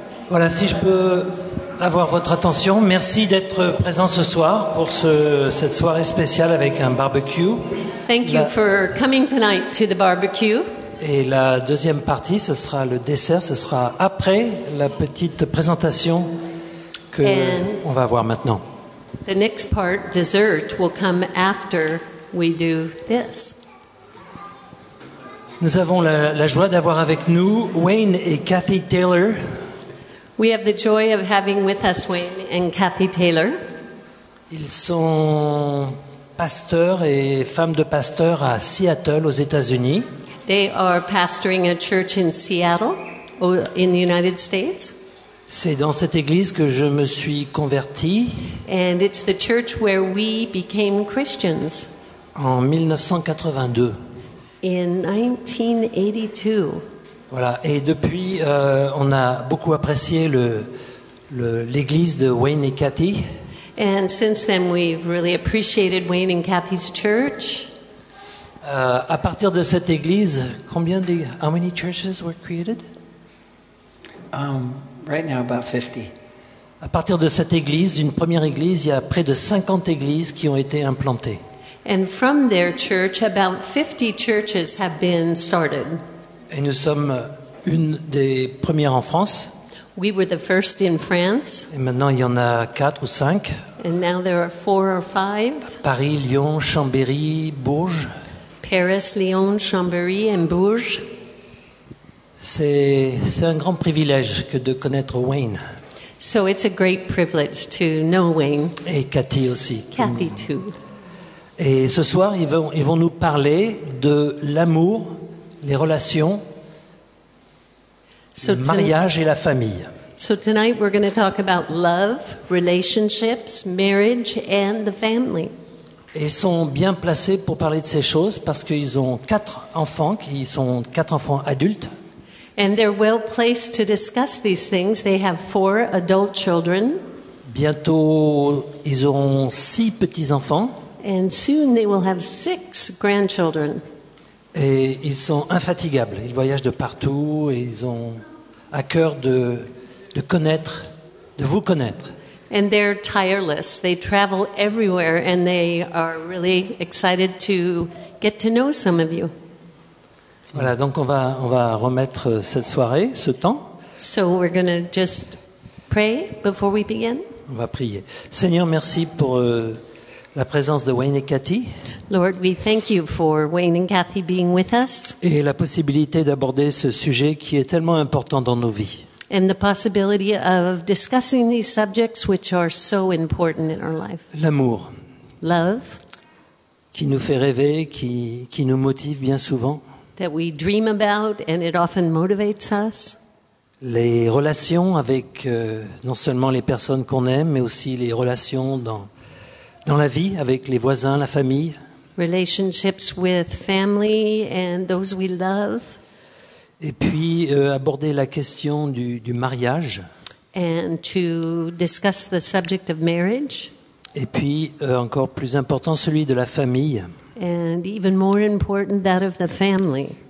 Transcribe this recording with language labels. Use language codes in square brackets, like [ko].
[fr] Voilà, si je peux avoir votre attention, merci d'être présent ce soir pour cette soirée spéciale avec un barbecue. [en] Thank you for coming tonight to the barbecue. [fr] Et la deuxième partie, ce sera le dessert, ce sera après la petite présentation qu'on va avoir maintenant. [en] The next part, dessert, will come after we do this. [fr] Nous avons la joie d'avoir avec nous Wayne et Kathy Taylor. [en] We have the joy of having with us Wayne and Kathy Taylor. [fr] Ils sont pasteurs et femmes de pasteur à Seattle aux États-Unis. [en] They are pastoring a church in Seattle in the United States. [fr] C'est dans cette église que je me suis converti. [en] And it's the church where we became Christians. [fr] En 1982. [en] In 1982. [fr] Voilà, et depuis, on a beaucoup apprécié l'église de Wayne et Kathy. [en] And since then, we've really appreciated Wayne and Kathy's church. [fr] À partir de cette église, combien de... [en] How many churches were created? Right now, about 50. [fr] À partir de cette église, une première église, il y a près de 50 églises qui ont été implantées. [en] And from their church, about 50 churches have been started. [fr] Et nous sommes une des premières en France. [en] We were the first in France. [fr] Et maintenant, il y en a 4 ou 5. [en] And now there are 4 or 5. [fr] Paris, Lyon, Chambéry, Bourges. Paris, Lyon, Chambéry et Bourges. C'est un grand privilège que de connaître Wayne. [en] So it's a great privilege to know Wayne. [fr] Et Kathy aussi. [en] Kathy too. [fr] Et ce soir, ils vont nous parler de l'amour. Les relations, so le mariage et la famille. [en] So tonight we're going to talk about love, relationships, marriage and the family. [fr] Et ils sont bien placés pour parler de ces choses parce qu'ils ont 4 enfants, qui sont 4 enfants adultes. [en] And they're well placed to discuss these things. They have 4 adult children. [fr] Bientôt, ils auront 6 petits-enfants. [en] And soon they will have 6 grandchildren. [fr] Et ils sont infatigables. Ils voyagent de partout et ils ont à cœur de connaître, de vous connaître. [en] And they're tireless. They travel everywhere and they are really excited to get to know some of you. [fr] Voilà, donc on va remettre cette soirée, ce temps. [en] So we're going to just pray before we begin. [fr] On va prier. Seigneur, merci pour la présence de Wayne et Kathy. [en] Lord, we thank you for Wayne and Kathy being with us. [fr] Et la possibilité d'aborder ce sujet qui est tellement important dans nos vies. [en] And the possibility of discussing these subjects which are so important in our life. [fr] L'amour. [en] Love. [fr] Qui nous fait rêver, qui nous motive bien souvent. [en] That we dream about and it often motivates us. [fr] Les relations avec non seulement les personnes qu'on aime, mais aussi les relations dans la vie, avec les voisins, la famille. [en] Relationships with family and those we love. [fr] Et puis, aborder la question du mariage. [en] And to discuss the subject of marriage. [fr] Et puis, encore plus important, celui de la famille. [en] And even more important, that of the family.